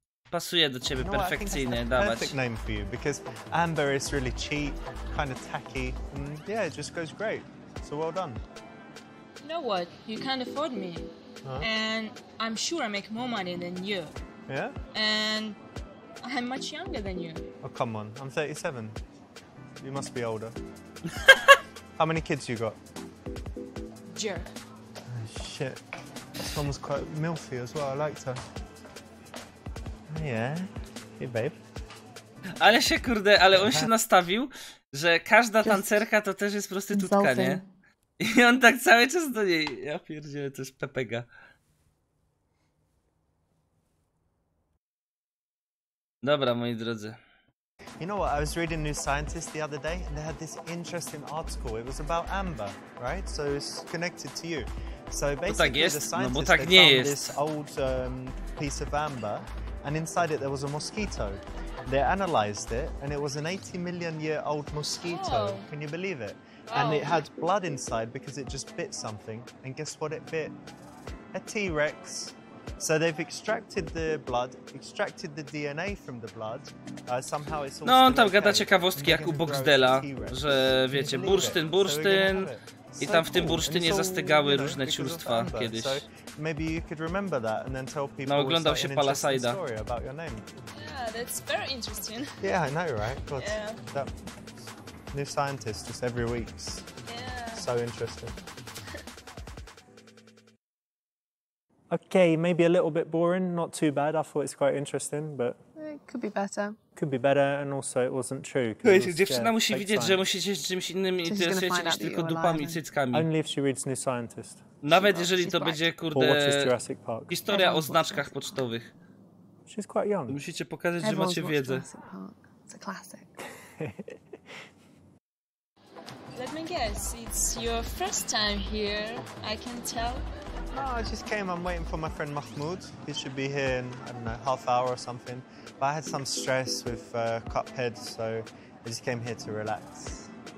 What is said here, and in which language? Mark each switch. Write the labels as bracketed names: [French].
[Polish] Pasuje do ciebie perfekcyjnie, dawać. [English] Perfect name for you because amber is really cheap, kind of tacky. And yeah, it just goes great. So well done. You know what? You can't afford me. Huh? And I'm sure I make more money than you. Yeah? And I'm much younger than you. Oh, come on. I'm 37. You must be older. How many kids you got? Jerk. Oh, shit. This one was quite milfy as well. I liked her. Yeah. Hey babe. [Polish] Ale się kurde, ale on się nastawił, że każda tancerka to też jest prostytutka, nie? I on tak cały czas do niej. Ja pierdziele, to jest pepega. Dobra, moi drodzy. [English] You know what? I was reading New Scientist the other day and they had this interesting article. It was about amber, right? So it's connected to you. So basically, [Polish] tak jest? [English] The scientists, [Polish] no, tak nie [English] found [Polish] jest. [English] This old piece of amber. And inside it there was a mosquito. They analyzed it and it was an 80 million year old mosquito. Oh. Can you believe it? Oh. And it had blood inside because it just bit something. And guess what it bit? A T-Rex. So they've extracted the blood, extracted the DNA from the blood. Somehow it's all. [Polish] No, on tam gada ciekawostki jak u Boxdela, że wiecie, bursztyn. I tam w tym bursztynie zastygały różne ciurstwa kiedyś. [English] Maybe you could remember that and then tell people. [Polish] No, oglądał się Palasajda. [English] Yeah, that's very interesting. Yeah, I know, right? God, yeah. That New Scientist just every week. Yeah. So interesting. Okay, maybe a little bit boring, not too bad. I thought it's quite interesting, but it could be better. Could be better and also it wasn't true. [Polish] Dziewczyna musi widzieć, że musi się czymś innym interesujecie niż tylko dupami i cyckami. [English] Only if she reads New Scientist. [Polish] Nawet jeżeli to będzie, kurde, historia o znaczkach pocztowych. [English] She's quite young. [Polish] Musicie pokazać, że macie wiedzę. [English] It's a classic. Let me guess, it's your first time here, I can tell. No, I just came, I'm waiting for my friend Mahmoud. He should be here in, I don't know, half hour or something. But I had some stress with Cuphead, so I just came here to relax.